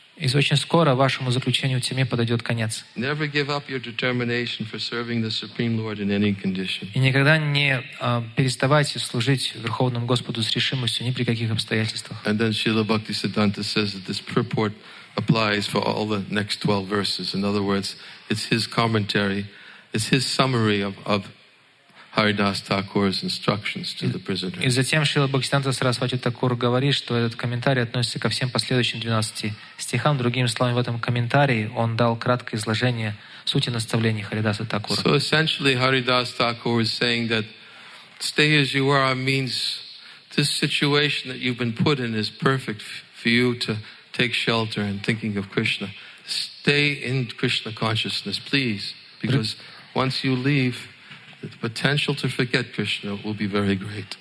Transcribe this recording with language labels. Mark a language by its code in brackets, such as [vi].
[ru] И очень скоро вашему заключению в тюрьме подойдет конец. [en] Never give up your determination for serving the Supreme Lord in any condition. [ru] И никогда не переставайте служить Верховному Господу с решимостью ни при каких обстоятельствах. [en] And then Srila Bhaktisiddhanta says that this purport applies for all the next 12 verses. In other words, it's his commentary, it's his summary of Haridas Thakur's instructions to the prisoner. [ru] И затем Шрила Бхактисиддханта Сарасвати Такур говорит, что этот комментарий относится ко всем последующим 12 стихам. Другими словами, в этом комментарии он дал краткое изложение сути наставлений Харидаса Такура. [en] So essentially, Haridas Thakur is saying that stay as you are means this situation that you've been put in is perfect for you to take shelter and thinking of Krishna. Stay in Krishna consciousness, please, because once you leave, the potential to forget Krishna will be very great.